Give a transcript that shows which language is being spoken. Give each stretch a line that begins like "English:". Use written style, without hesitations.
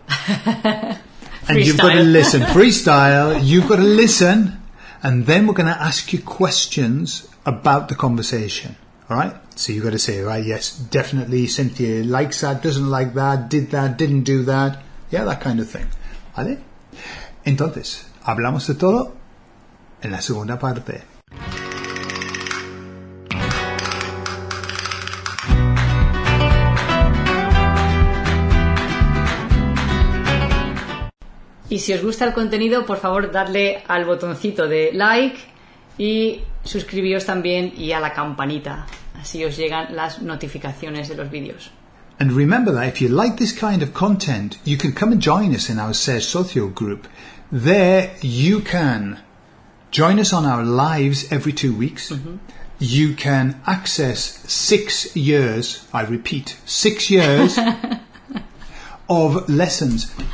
English: Freestyle. And you've got to listen. Freestyle. You've got to listen. And then we're going to ask you questions about the conversation. All right? So you've got to say, right, yes, definitely Cynthia likes that, doesn't like that, did that, didn't do that. Yeah, that kind of thing. ¿Vale?
Spanish: Entonces, hablamos de todo en la segunda parte. Y si os gusta el contenido, por favor, dadle al botoncito de like y suscribíos también y a la campanita. Así os llegan las notificaciones de los vídeos.
English: And remember that if you like this kind of content, you can come and join us in our Ser Socio group. There you can join us on our lives every 2 weeks. Mm-hmm. You can access 6 years, I repeat, 6 years of lessons.